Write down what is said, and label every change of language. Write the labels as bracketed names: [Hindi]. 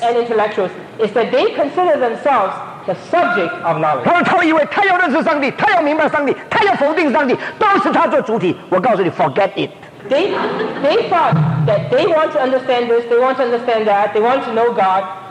[English] And intellectuals is that they consider themselves the subject of knowledge. [Chinese] 他们以为他要认识上帝，他要明白上帝，他要否定上帝，都是他做主体。我告诉你， [English] forget it. They thought that they want to understand this, they want to understand that, they want to know God.